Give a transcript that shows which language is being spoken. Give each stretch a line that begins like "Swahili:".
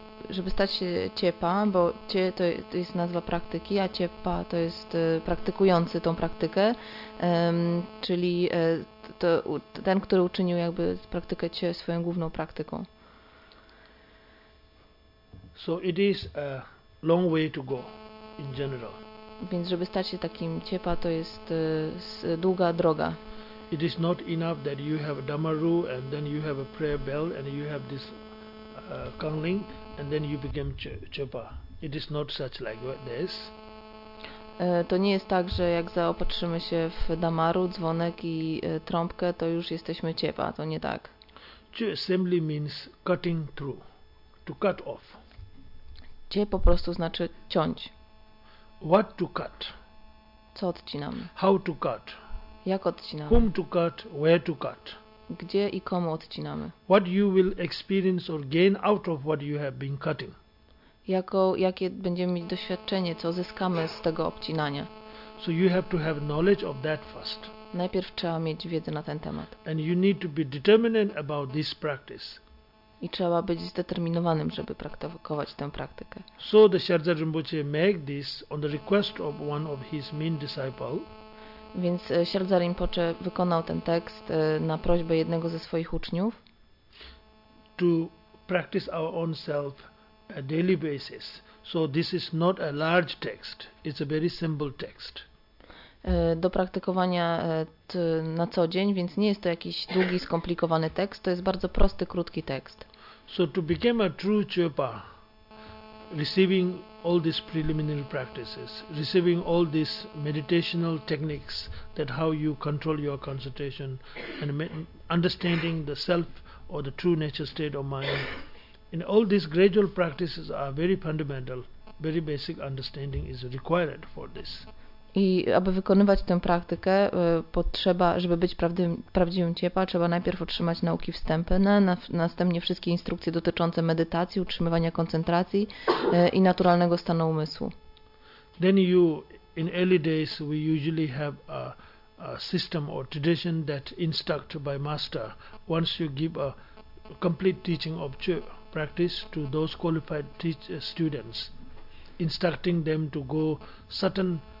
Polish: Żeby stać się Chöpa, bo Chö to jest nazwa praktyki, a Chöpa to jest praktykujący tą praktykę, czyli ten, który uczynił jakby praktykę Chö swoją główną praktyką.
English: So it is a long way to go in general.
Polish: Więc żeby stać się takim Chöpa, to jest długa droga.
English: It is not enough that you have a damaru and then you have a prayer bell and you have this kangling and then you become Chöpa. It is not such like this.
Polish: To nie jest tak, że jak zaopatrzymy się w damaru, dzwonek i trąbkę, to już jesteśmy Chöpa. To nie tak.
English: Chö simply means cutting through, to cut off.
Polish: Chö po prostu znaczy ciąć.
English: What to cut?
Polish: Co odcinamy?
English: How to cut?
Polish: Jak odcinamy?
English: Whom to cut? Where to cut?
Polish: Gdzie i komu odcinamy?
English: What you will experience or gain out of what you have been cutting?
Polish: Jakie będziemy mieć doświadczenie, co zyskamy z tego obcinania?
English: So you have to have knowledge of that first.
Polish: Najpierw trzeba mieć wiedzę na ten temat.
English: And you need to be determined about this practice.
Polish: I trzeba być zdeterminowanym, żeby praktykować tę praktykę.
English: So the Sherpa Rinpoche made this on the request of one of his main disciples.
Polish: Więc Sherpa Rinpoche wykonał ten tekst na prośbę jednego ze swoich uczniów.
English: To practice our own self a daily basis. So this is not a large text. It's a very simple text.
Polish: Do praktykowania na co dzień, więc nie jest to jakiś długi, skomplikowany tekst. To jest bardzo prosty, krótki tekst.
English: So to become a true Chöpa, receiving all these preliminary practices, receiving all these meditational techniques, that how you control your concentration and understanding the self or the true nature state of mind. And all these gradual practices are very fundamental, very basic understanding is required for this.
Polish: I aby wykonywać tę praktykę, potrzeba, żeby być prawdziwym Chöpa, trzeba najpierw otrzymać nauki wstępne, następnie wszystkie instrukcje dotyczące medytacji, utrzymywania koncentracji i naturalnego stanu umysłu.
English: Then you, in early days, we usually have a system or tradition that instruct by master. Once you give a complete teaching of Chö practice to those qualified students, instructing them to go certain